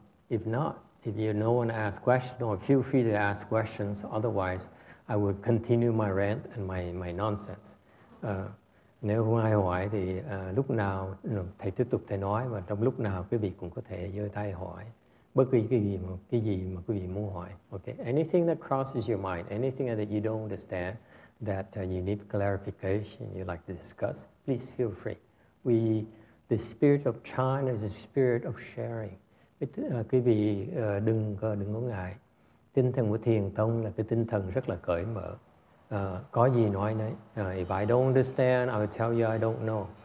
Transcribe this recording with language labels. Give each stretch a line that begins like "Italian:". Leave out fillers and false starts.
English: If not, if you no one ask questions, or feel free to ask questions. Otherwise, I will continue my rant and my nonsense.
Vietnamese: Nếu không ai hỏi thì lúc nào thầy tiếp tục thầy nói, và trong lúc nào quý vị cũng có thể giơ tay hỏi bất kỳ cái gì mà quý vị muốn hỏi.
English: Okay, anything that crosses your mind, anything that you don't understand, that you need clarification, you'd like to discuss, please feel free. The spirit of chan is a spirit of sharing.
Vietnamese: Quý vị đừng có ngại. Tinh thần của thiền tông là cái tinh thần rất là cởi mở. Có gì nói đấy.
English: If I don't understand, I will tell you I don't know.